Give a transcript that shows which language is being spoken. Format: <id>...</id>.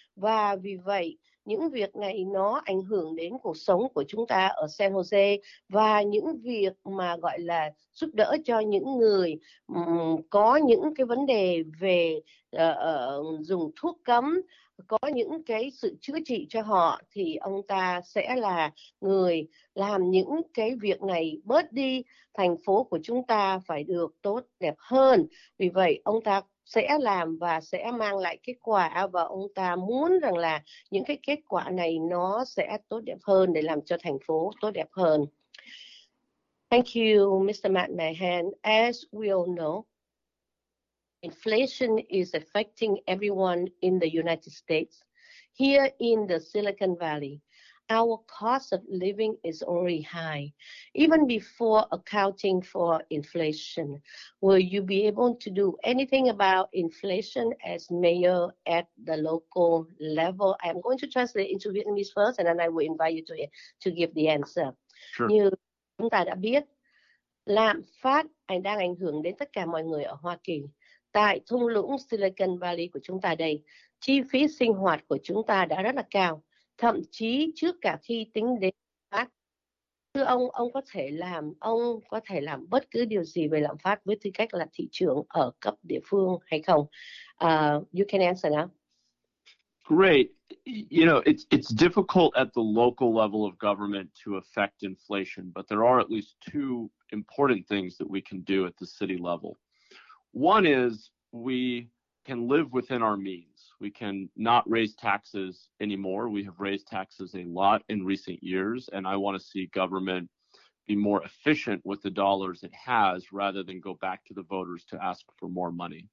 <vi>Và vì vậy, những việc này nó ảnh hưởng đến cuộc sống của chúng ta ở San Jose và những việc mà gọi là giúp đỡ cho những người có những cái vấn đề về dùng thuốc cấm, có những cái sự chữa trị cho họ thì ông ta sẽ là người làm những cái việc này bớt đi, thành phố của chúng ta phải được tốt đẹp hơn. Vì vậy ông ta sẽ làm và sẽ mang lại kết quả và ông ta muốn rằng là những cái kết quả này nó sẽ tốt đẹp hơn để làm cho thành phố tốt đẹp hơn.</vi> <en>Thank you, Mr. McMahon. As we all know, inflation is affecting everyone in the United States. Here in the Silicon Valley, our cost of living is already high. Even before accounting for inflation, will you be able to do anything about inflation as mayor at the local level? I'm going to translate into Vietnamese first, and then I will invite you to give the answer. Sure.</en> <vi>Như chúng ta đã biết, lạm phát đang ảnh hưởng đến tất cả mọi người ở Hoa Kỳ. Tại thung lũng Silicon Valley của chúng ta đây, chi phí sinh hoạt của chúng ta đã rất là cao. Thậm chí trước cả khi tính đến phát, thưa ông có thể làm bất cứ điều gì về lạm phát với tư cách là thị trưởng ở cấp địa phương hay không?</vi> <en>You can answer now. Great. You know, it's difficult at the local level of government to affect inflation, but there are at least two important things that we can do at the city level. One is we can live within our means. We can not raise taxes anymore. We have raised taxes a lot in recent years, and I want to see government be more efficient with the dollars it has rather than go back to the voters to ask for more money.</en>